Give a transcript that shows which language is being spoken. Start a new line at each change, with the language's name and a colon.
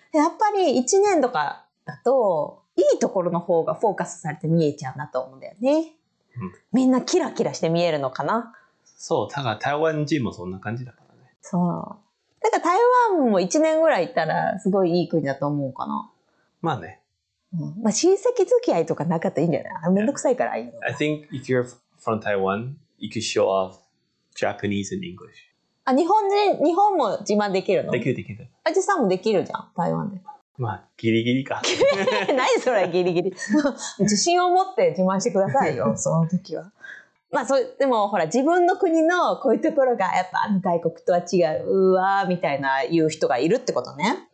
Japanese: うん、やっぱり1年とか、だといいところの方がフォーカスされて見えちゃうなと思うんだよね、うん、みんなキラキラして見えるのかな。そう、だから台湾人もそんな感じだからね。そう、だから台湾も1年ぐらい行ったらすごいいい国だと思うかな。まあね、うん、まあ、親戚付き合いとかなかったらいいんじゃない。めんどくさいからいいの。
English: I think if you're from Taiwan you could show off Japanese and English。
Japanese: あ、日本も自慢できるの。できるできる。あじさんもできるじゃん、台湾で。まあ、ギリギリか。何それ、ギリギリ。自信を持って自慢してくださいよ、その時は。まあ、でも、ほら、自分の国のこういうところが、やっぱ、外国とは違う、うわー、みたいな言う人がいるってことね。